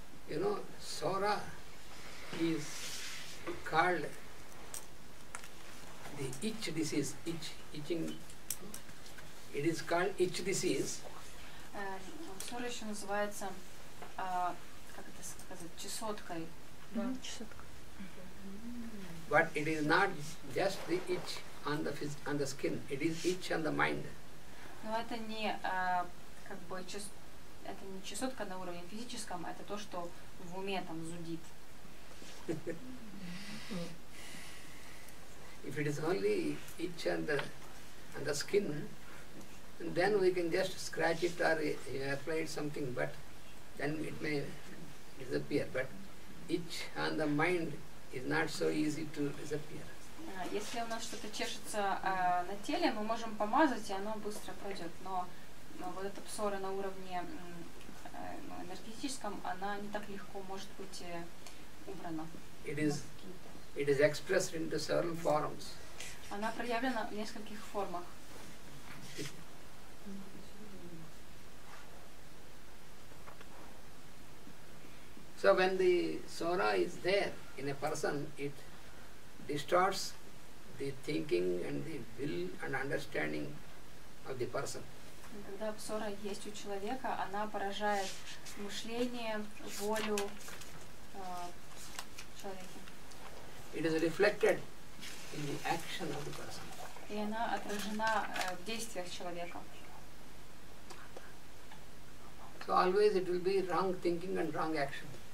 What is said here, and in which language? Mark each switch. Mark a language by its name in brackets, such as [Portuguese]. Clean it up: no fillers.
[English] You know, SORA is called the itch disease, itching. It is called itch disease. [Russian] SORA еще называется, как это сказать, чесоткой. [English] But it is not just the itch on the skin. It is itch on the mind. [Russian] Но это не как бы это не чесотка на уровне физическом, это то, что в уме там зудит. [English] If it is only itch on the skin, then we can just scratch it or apply it something, but then it may disappear. But itch on the mind is not so easy to disappear. [Russian] Если у нас что-то чешется на теле, мы можем помазать, и оно быстро пройдет. Но вот эта псора на уровне энергетическом, она не так легко может быть убрана. [English] It is expressed into several forms. [Russian] Она проявлена в нескольких формах. [English] So when the SORA is there in a person, it distorts the thinking and the will and understanding of the person. [Russian] Когда псора есть у человека, она поражает мышление, волю человека. [English] It is reflected in the action of the person. [Russian] И она отражена в действиях человека. [English] So always it will be wrong thinking and wrong action.